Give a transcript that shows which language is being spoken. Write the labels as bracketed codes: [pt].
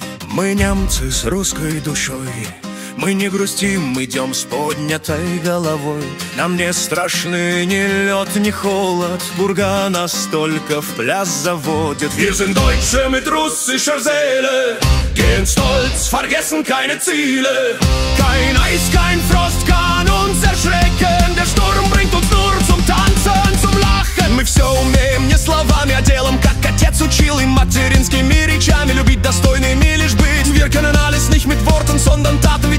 [ru] Мы немцы с русской душой, мы не грустим, идем с поднятой головой. Нам не страшны ни лед, ни холод, Бурга нас только в пляс заводит. [de] Wir sind Deutsche mit russischer Seele, gehen stolz, vergessen keine Ziele. Kein Eis, kein Frost kann uns erschrecken, der Sturm bringt uns nur zum Tanzen, zum Lachen. [ru] Мы все умеем не словами, а делом, как отец учил, и материнскими речами любить достойными лишь быть. [de] Wir können alles nicht mit Worten, sondern Taten.